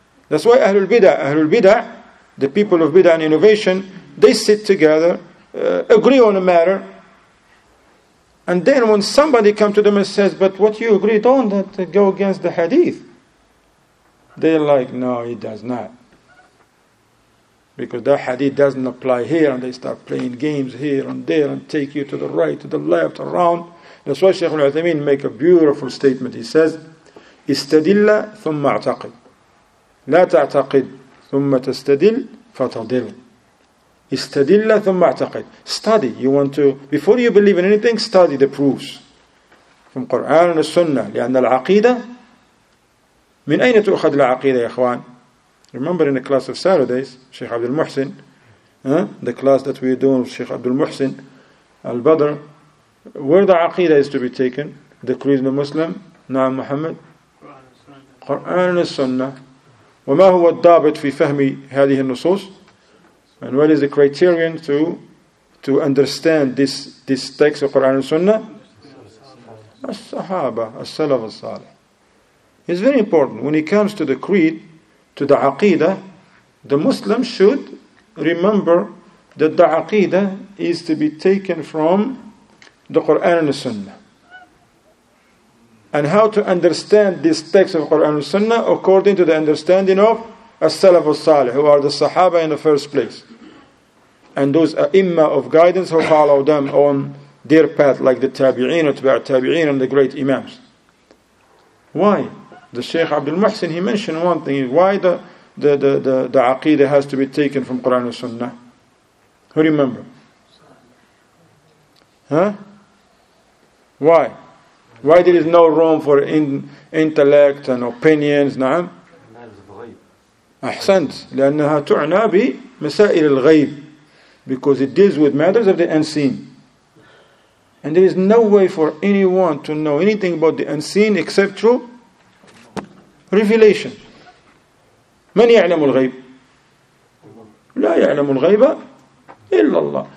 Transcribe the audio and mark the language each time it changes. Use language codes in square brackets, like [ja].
[en] That's why Ahlul Bidah, the people of Bidah and innovation, they sit together, agree on a matter, and then when somebody comes to them and says, but what you agreed on, that go against the hadith, they're like, no, it does not. Because that hadith doesn't apply here, and they start playing games here and there and take you to the right, to the left, around. That's why Shaykh al-Uthaymeen make a beautiful statement. He says, [ar] استدل ثم اعتقد لا تعتقد ثم تستدل فتضل. استدل ثم اعتقد. [en] Study. You want to, before you believe in anything, study the proofs from Quran and Sunnah. [ar] لأن العقيدة من أين تؤخذ العقيدة يا أخوان؟ [en] Remember in the class of Saturdays, Sheikh Abdul Muhsin, the class that we're doing with Sheikh Abdul Muhsin al-Badr, where the aqidah is to be taken, the creed of the Muslim, Naam Muhammad, Quran and Sunnah. [ar] وما هو الضابط في فهم هذه النصوص? [en] And what is the criterion to understand this text of Quran and Sunnah? As-Sahaba, as-Salaf as-Salih. It's very important when it comes to the creed, to the aqidah, the Muslim should remember that the aqidah is to be taken from the Quran and the Sunnah. And how to understand this text of Quran and Sunnah according to the understanding of As-Salaf al-Salih, who are the Sahaba in the first place. And those a'imma of guidance who follow them on their path, like the Tabi'een, Utba'at Tabi'een, and the great Imams. Why? The Shaykh Abdul Muhsin, he mentioned one thing, why the aqidah has to be taken from Quran and Sunnah. Who remember? Why? Why there is no room for intellect and opinions? [ar] Na'am? Ahsant. لأنها تعنى بمسائل الغيب. [en] Because it deals with matters of the unseen. And there is no way for anyone to know anything about the unseen except through revelation. [ar] من يعلم الغيب? لا يعلم الغيب إلا الله.